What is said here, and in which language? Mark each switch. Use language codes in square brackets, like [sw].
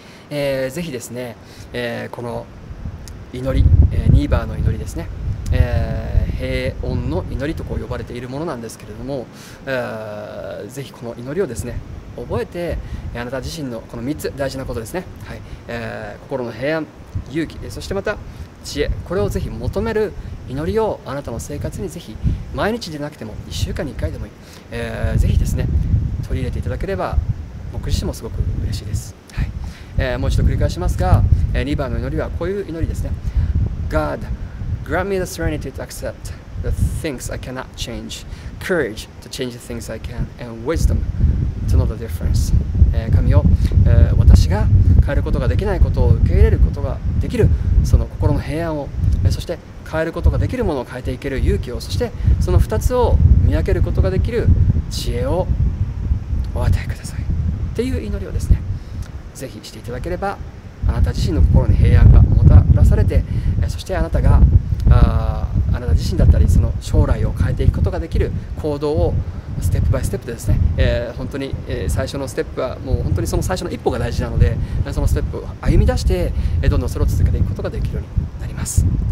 [ja] はい、ぜひですね、この祈り、ニーバーの祈りですね、平穏の祈りとこう呼ばれているものなんですけれども、ぜひこの祈りをですね覚えて、あなた自身のこの3つ大事なことですね、はい、心の平安、勇気、そしてまた知恵、これをぜひ求める祈りをあなたの生活にぜひ毎日でなくても1週間に1回でもいい、ぜひですね取り入れていただければ僕自身もすごく嬉しいです、はい、もう一度繰り返しますが、2番の祈りはこういう祈りですね。 [en] God, grant me the serenity to accept the things I cannot change, courage to change the things I can, and wisdom to know the difference. [ja] 神よ、私が変えることができないことを受け入れることができる、その心の平安を、そして変えることができるものを変えていける勇気を、そしてその2つを見分けることができる知恵をお与えくださいっていう祈りをですね、ぜひしていただければ、あなた自身の心に平安がもたらされて、そしてあなたが あなた自身だったり、その将来を変えていくことができる行動をステップバイステップでですね、本当に最初のステップはもう本当にその最初の一歩が大事なので、そのステップを歩み出してどんどんそれを続けていくことができるようになります。